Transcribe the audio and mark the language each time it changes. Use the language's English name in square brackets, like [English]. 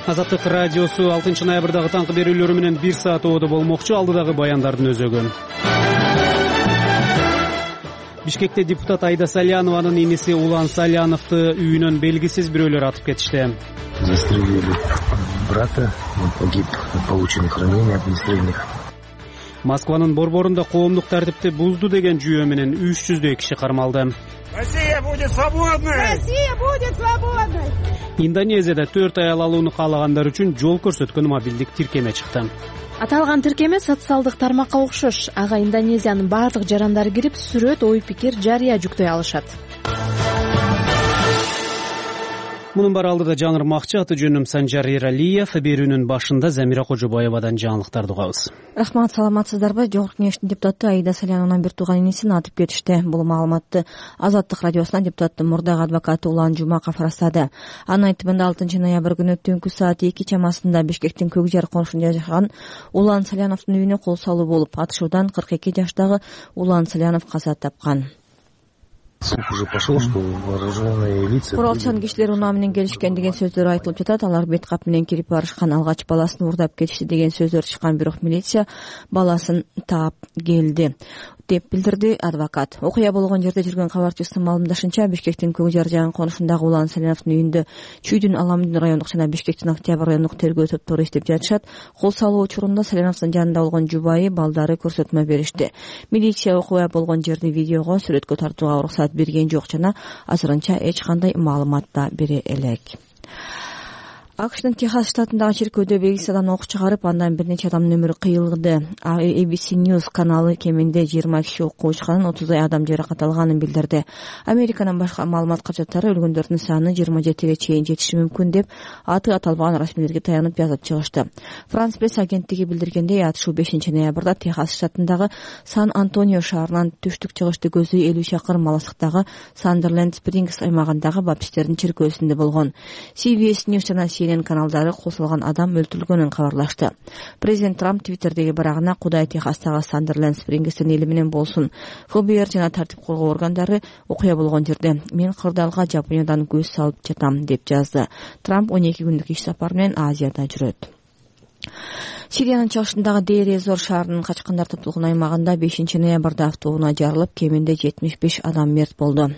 [Kyrgyz] Азаттык радиосу 6 ноябрдагы таңкы берүүлөрү менен 1 саат оодо болмокчу, алдыдагы баяндардын өзөгү. Бишкекте депутат Айда Салянованын иниси Улан Саляновту үйүнөн белгисиз бирөөлөр атып кетишти. [Russian] Застрелили брата, он погиб от полученных ранений огнестрельных. [Kyrgyz] Москванын борборунда коомдук тартипти бузду деген жүйө менен 300-дөй киши кармалды. [Russian] Россия будет свободной! Россия будет свободной! [Kyrgyz] Индонезияда 4 аял алууну каалагандар үчүн жол көрсөткөн мобилдик тиркеме чыкты. Аталган тиркеме социалдык тармакка окшош. Ага Индонезиянын бардык жарандары кирип, сүрөт, ой-пикир жарыя жүктөй алышат. Мунун бар алдыда жаныр макчы, аты жөнүм Санжар Эралиев, берүүнүн башында Замира Кожобаевадан жаңылыктарды угабыз. Рахмат, саламатсыздарбы. Жогорку кеңештин депутаты Аида Саляновна бир тууган энесин атып кетишти. Бул маалыматты Азаттык радиосунан депутаттын мурдагы адвокаты Улан Жумаков растады. Анын айтымында 6 ноябр күнү түнкү саат 2 чамасында Бишкектин Көк Жар коркунучунда жашаган Улан Саляновдун үйүнө кол салуу болуп, атышуудан 42 жаштагы Улан Салянов каза тапкан. [Russian] Слух уже пошел, что вооруженные лица... [Kyrgyz] Куралчан кишилер унаа менен келишкен деген сөздөр айтылып жатат. Алар беткап менен кирип барышкан алгач баласын урдап кетишти деген сөздөр чыккан, бирок милиция баласын таап келди деп билдирди адвокат. Окуя болгон жерде жүргөн кабарчысынын маалымдашынча, Бишкектин Көк Жар жаган конушундагы Улан Саляновдун үйүндө Чүйдүн Аламүндүн райондук жана Бишкектин Октябрь райондук тергөө топтору иштеп жатышат. Кол салуу учурунда Саляновдун жанында болгон жубайы, балдары көрсөтмө беришти. Милиция окуя болгон жерди видеого, сүрөткө тартууга уруксат берген жок жана азырынча эч кандай маалымат да бере элек. АКШ'тын Техас штатындагы чиркөөдө белгисиз адам ок чыгарып, андан бир нече адамдын өмүрү кыйылды. ABC News каналы кеминде 20 киши окуу чыккан, 30 адам жаракат алганын билдирди. Американын башка маалымат каражаттары өлгөндөрдүн саны 27 чейин жетиши мүмкүн деп аты аталбаган расмилерге таянып жазып чыгышты. Франс Пресс агенттиги билдиргендей, атышуу 5 ноябрда Техас штатындагы Сан Антонио шаарынан түштүк чыгышты көздөй 50 чакырым алыстыктагы Сандерленд Спрингс аймагындагы баптисттердин чиркөөсүндө болгон. CBS News жана CNN каналдары кол салган адам өлтүрүлгөнүн кабарлашты. Президент Трамп Твиттердеги барагына Кудай Техастагы Сандерленд Спрингстин эли менен болсун. ФБР жана тартип коргоо органдары окуя болгон жерде мен кырдаалга Жапониядан көз салып жатам деп жазды. Трамп 12 күндүк иш сапар менен Азияда жүрөт. Сириянын чыгышындагы Дейр-эз-Зор шаарынын качкындар топтолгон аймагында 5 ноябрда автоунаа жарылып, кеминде 75 адам мерт болду.